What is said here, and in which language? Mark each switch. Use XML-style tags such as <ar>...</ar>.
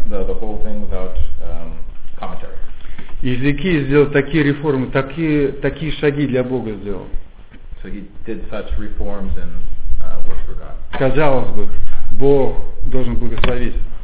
<en>The whole thing without commentary.</en> <ru>Иезекия сделал такие реформы, такие шаги для Бога сделал.</ru> <en>So he did such reforms and worked for God.</en> <ru>Казалось бы, Бог должен благословить.</ru>